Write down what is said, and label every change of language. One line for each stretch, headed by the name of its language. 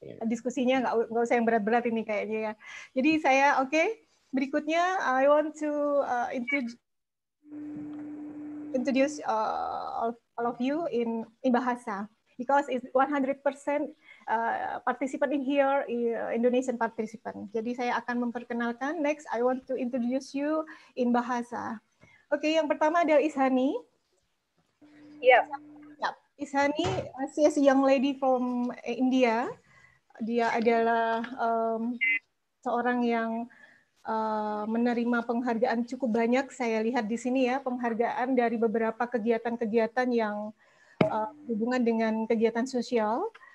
Indonesian: Diskusinya nggak usah yang berat-berat ini kayaknya ya. Jadi saya, okay. Berikutnya,
English: I want to introduce all of you in bahasa, because it's 100% participant in here, Indonesian participant.
Indonesian: Jadi saya akan memperkenalkan.
English: Next, I want to introduce you in bahasa.
Indonesian: Okay, yang pertama adalah Ishani. Yep.
English: Ishani, she is a young lady from India.
Indonesian: Dia adalah seorang yang menerima penghargaan cukup banyak, saya lihat di sini ya, penghargaan dari beberapa kegiatan-kegiatan yang hubungan dengan kegiatan sosial.